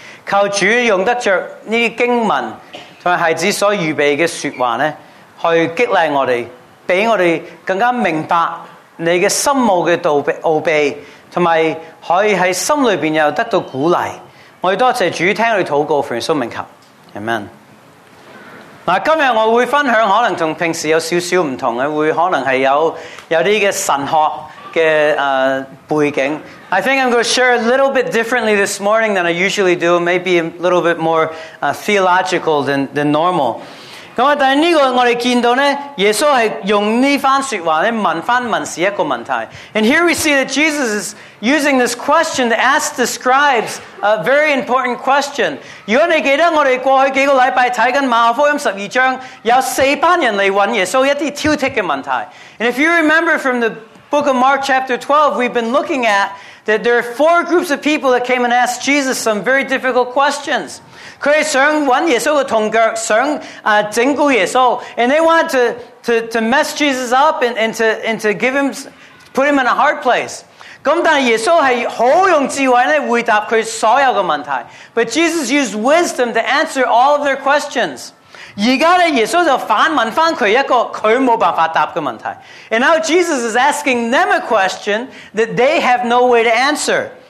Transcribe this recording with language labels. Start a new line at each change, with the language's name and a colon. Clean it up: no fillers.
Chinese: 求主用得着这些经文和孩子所预备的说话呢，去激励我们，给我们更加明白你的心目的奥秘，还有可以在心里面又得到鼓励。我们多谢主听你祷告，奉耶稣名求。
English: Amen.
Chinese: 今天我会分享可能跟平时有少少不同，会可能是有一些神学的背景。
English: I think I'm going to share a little bit differently this morning than I usually do, maybe a little bit more theological than normal.
Chinese: 但是这个我们看到呢，耶稣是用这番说话问回文士一个问题。
English: And here we see that Jesus is using this question to ask the scribes a very important question.
Chinese: 如果你记得我们过去几个礼拜看着马可福音十二章，有四班人来问耶稣一些挑剔的问题。
English: And if you remember from the book of Mark chapter 12, we've been looking at that there are four groups of people that came and asked Jesus some very difficult questions.
Chinese: 他们想找耶稣的同脚，想整蛊耶稣。
English: And they wanted to mess Jesus up and to give him, put him in a hard place.
Chinese: 但耶稣是很用智慧来回答他所有的问题。
English: But Jesus used wisdom to answer all of their questions.
Chinese: 现在耶稣就反问他一个他没有办法答的问题。
English: And now Jesus is asking them a question that they have no way to answer.